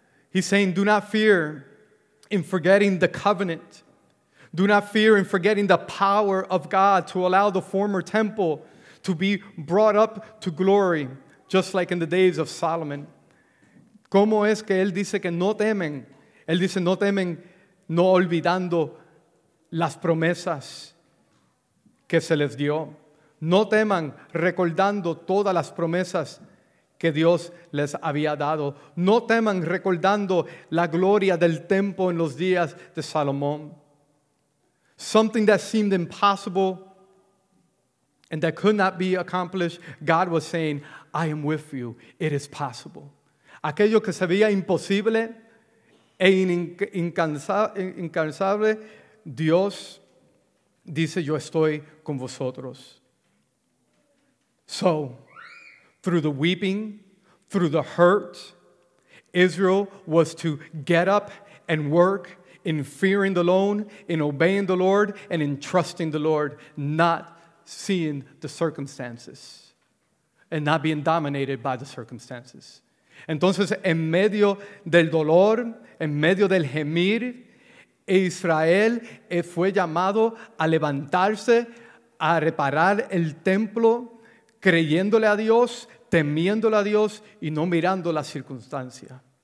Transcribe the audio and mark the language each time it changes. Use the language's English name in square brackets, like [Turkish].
[English] He's saying, do not fear in forgetting the covenant. Do not fear in forgetting the power of God to allow the former temple to be brought up to glory, just like in the days of Solomon. [Spanish] ¿Cómo es que él dice que no temen? Él dice, no temen, no olvidando las promesas que se les dio. No teman recordando todas las promesas que Dios les había dado. No teman recordando la gloria del templo en los días de Salomón. [English] Something that seemed impossible and that could not be accomplished, God was saying, I am with you, it is possible. [Spanish] Aquello que se veía imposible e incansable, Dios dice, yo estoy con vosotros. [English] So, through the weeping, through the hurt, Israel was to get up and work in fearing the alone, in obeying the Lord, and in trusting the Lord, not seeing the circumstances and not being dominated by the circumstances. [Spanish] Entonces, en medio del dolor, en medio del gemir, Israel fue llamado a levantarse, a reparar el templo, creyéndole a Dios, temiéndole a Dios y no mirando la circunstancia.